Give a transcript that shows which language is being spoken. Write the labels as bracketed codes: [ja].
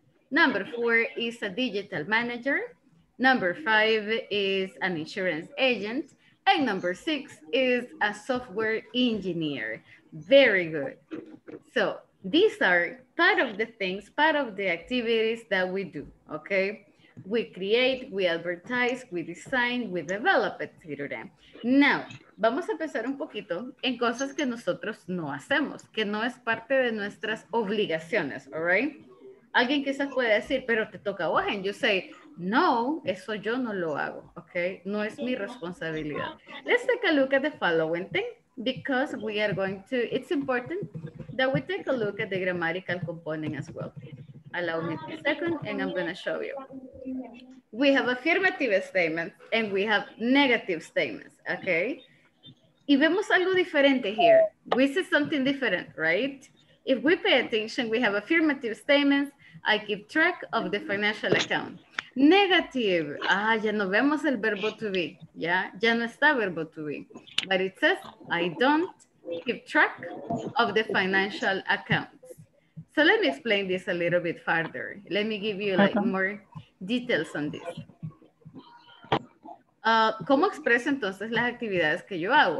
[en] Number four is a digital manager. Number five is an insurance agent. And number six is a software engineer. Very good. So these are part of the things, part of the activities that we do, okay? We create, we advertise, we design, we develop, etc. [es] Now, vamos a empezar un poquito en cosas que nosotros no hacemos, que no es parte de nuestras obligaciones, [en] all right? [es] Alguien quizás puede decir, pero te toca a vos, [en] and you say, [es] no, eso yo no lo hago, okay? No es mi responsabilidad. [en] Let's take a look at the following thing, because we are going to, it's important that we take a look at the grammatical component as well. Allow me a second, and I'm gonna show you. We have affirmative statements, and we have negative statements, okay? [es] Y vemos algo diferente [en] here. We see something different, right? If we pay attention, we have affirmative statements. I keep track of the financial account. [es] Negative, ya no vemos el verbo to be, yeah? Ya no está verbo to be. [en] But it says, I don't keep track of the financial accounts. So let me explain this a little bit further. Let me give you like more details on this. [es] ¿Cómo expreso entonces las actividades que yo hago?